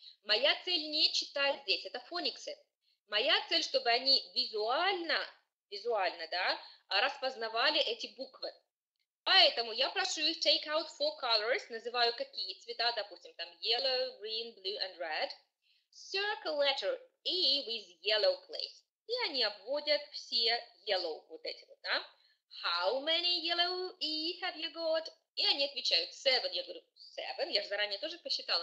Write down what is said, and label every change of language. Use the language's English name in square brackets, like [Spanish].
[Russian] Моя цель не читать здесь, это фониксы. Моя цель, чтобы они визуально, да, распознавали эти буквы. Поэтому я прошу их [English] take out four colors, [Russian] называю какие цвета, допустим, там [English] yellow, green, blue and red. Circle letter A with yellow place. [Russian] И они обводят все yellow, вот эти вот, да? [English] How many yellow E have you got? [Russian] И они отвечают, seven. Я говорю, seven? Я же заранее тоже посчитала.